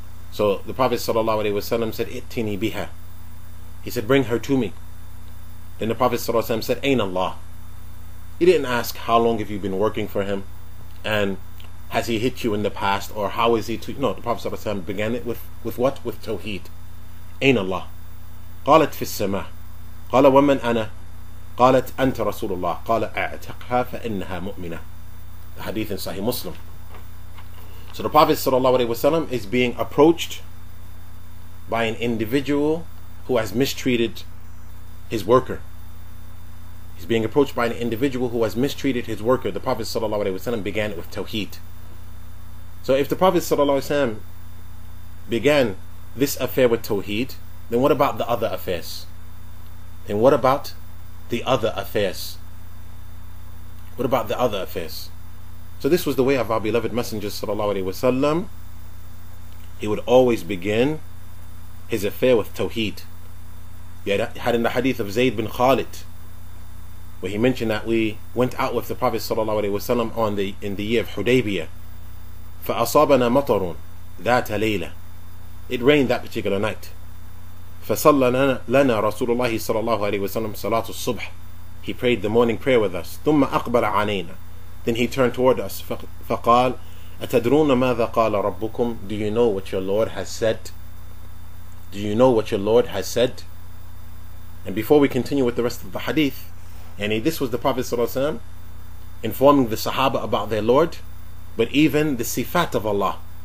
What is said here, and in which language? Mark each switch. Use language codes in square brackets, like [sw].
[en] So the Prophet ﷺ said, [ar] "Ittini biha." [en] He said, "Bring her to me." Then the Prophet ﷺ said, Ain Allah. He didn't ask, how long have you been working for him? And has he hit you in the past? Or how is he to... No, the Prophet ﷺ began it with what? With Tawheed. Ain Allah. [ar] قالت في السماء. قال ومن أنا؟ قالت أنت رسول الله. قال أعتقها فإنها مؤمنة. [en] The hadith in Sahih Muslim. So the Prophet ﷺ is being approached by an individual who has mistreated his worker. He's being approached by an individual who has mistreated his worker. The Prophet ﷺ began it with Tawheed. So if the Prophet ﷺ began this affair with Tawheed, then what about the other affairs? Then what about the other affairs? What about the other affairs? So this was the way of our beloved Messenger ﷺ. He would always begin his affair with Tawheed. He had in the hadith of Zayd bin Khalid, where he mentioned that we went out with the Prophet sallallahu alaihi wasallam in the year of Hudaybiyah. [ar] فَأَصَابَنَا مَطَرٌ ذَاتَ لَيْلَةٍ. [en] It rained that particular night. [ar] فَصَلَّ لَنَا رَسُولُ اللَّهِ sallallahu alaihi wasallam صَلَاةُ الصُّبْحِ. [en] He prayed the morning prayer with us. [ar] ثُمَّ أَقْبَلَ عَلَيْنَا. [en] Then he turned toward us. [ar] فَقَالَ أَتَدْرُونَ مَاذَا قَالَ رَبُّكُمْ. [en] Do you know what your Lord has said? Do you know what your Lord has said? And before we continue with the rest of the hadith, and this was the Prophet ﷺ informing the Sahaba about their Lord, but even the sifat of Allah.